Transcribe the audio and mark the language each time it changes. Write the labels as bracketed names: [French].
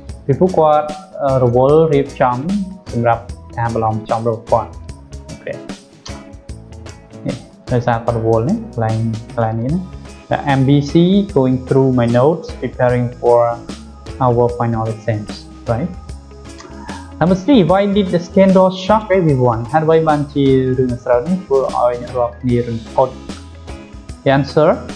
[Khmer] ពីព្រោះគាត់រវល់រៀបចំសម្រាប់ការប្រឡងចំរបស់គាត់ Okay. នេះដោយសារគាត់រវល់នេះខ្លាំងនេះណា [English] The MBC going through my notes preparing for our final exams, right? Number 3, why did the scandal shock everyone? [Khmer] ហើយវាបានជារឿងស្រើនេះធ្វើឲ្យអ្នករាល់គ្នារន្ធត់ [English] The answer?